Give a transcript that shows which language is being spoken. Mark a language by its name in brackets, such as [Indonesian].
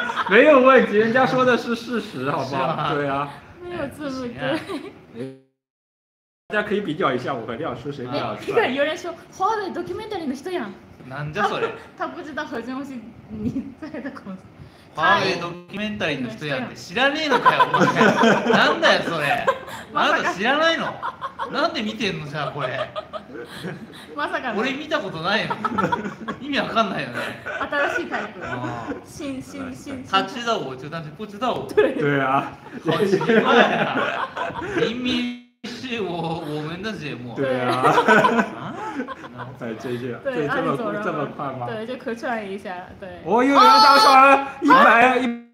[Chinese] 没有问题，人家说的是事实好不好，是吗？对啊，没有自律，对，大家可以比较一下我和亮叔谁比较帅、啊、有人说华为 documentary 的人呀， [Japanese] 何者それ、 [Chinese] 他不知道何正是你在的公司，华为 documentary 的人呀， [Japanese] 知らねえのかよ、何だよそれ、あなた知らないの、なんで見てんのじゃこれ、まさか、俺見たことないの、意味わかんないよね、新しいタイプ、新 [Chinese] 他知道我就但是不知道我，对啊，好奇怪啊，明明是我们的节目，对啊，啊，这句，对，这么快吗？对，就咳出来一下，对。我又有大双，100，